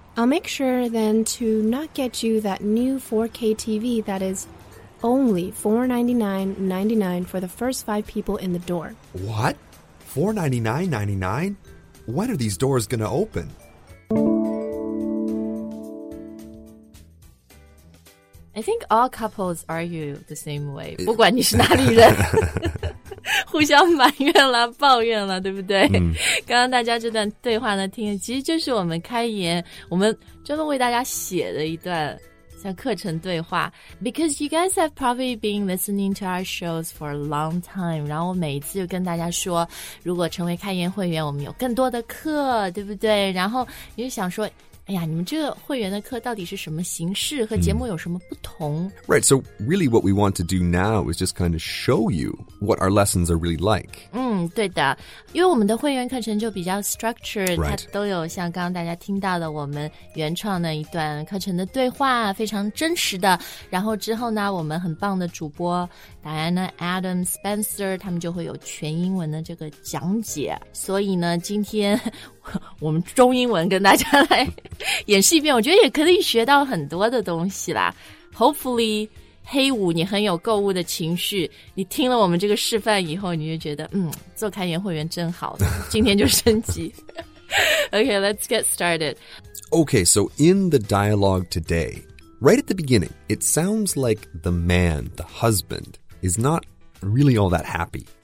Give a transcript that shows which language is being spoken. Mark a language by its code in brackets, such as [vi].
[en] I'll make sure then to not get you that new 4K TV that is only $499.99 for the first five people in the door. What? $499.99? When are these doors gonna open? I think all couples argue the same way. [zh] 不管你是哪里人，互相埋怨啦，抱怨啦，对不对？嗯。刚刚大家这段对话呢，听的其实就是我们开言，我们专门为大家写的一段像课程对话。 [en] Because you guys have probably been listening to our shows for a long time. [zh] 然后我每一次就跟大家说，如果成为开言会员，我们有更多的课，对不对？然后你就想说，哎呀，你们这个会员的课到底是什么形式，和节目有什么不同？ [en] Right, so really what we want to do now is just kind of show you what our lessons are really like. [zh] 嗯，对的，因为我们的会员课程就比较 structured,、 [en] right. [zh] 它都有像刚刚大家听到的我们原创的一段课程的对话，非常真实的。然后之后呢，我们很棒的主播 Diana, Adam, Spencer, 他们就会有全英文的这个讲解。所以呢，今天我们中英文跟大家来演示一遍，我觉得也可以学到很多的东西啦。 Hopefully 黑五你很有购物的情绪，你听了我们这个示范以后，你就觉得做开言会员真好，今天就升级。 [en] Okay, let's get started. Okay, so in the dialogue today, right at the beginning, it sounds like the man, the husband, is not really all that happy.